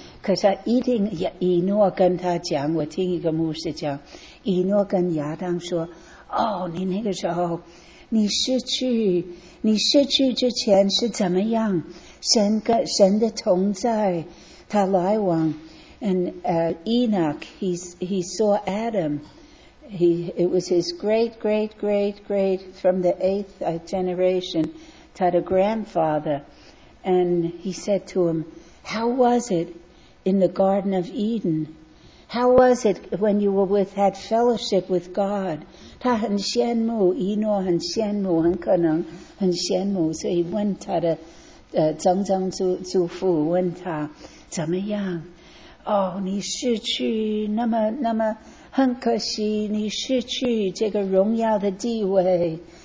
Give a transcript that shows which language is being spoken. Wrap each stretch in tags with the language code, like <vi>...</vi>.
<zh>可是一定以诺跟他讲，我听一个牧师讲，以诺跟亚当说，哦，你那个时候你失去之前是怎么样，神的同在，他来往。</zh> <en>And Enoch, he saw Adam, it was his great great great great from the 8th generation,</en> <zh>他的</zh> <en>grandfather, and he said to him, how was itIn the Garden of Eden. How was it when you were had fellowship with God?</en> <zh>他很羡慕，以诺很羡慕，很可能很羡慕，所以问他的曾曾祖父，问他怎么样？哦，你失去，那么很可惜，你失去这个荣耀的地位。</zh>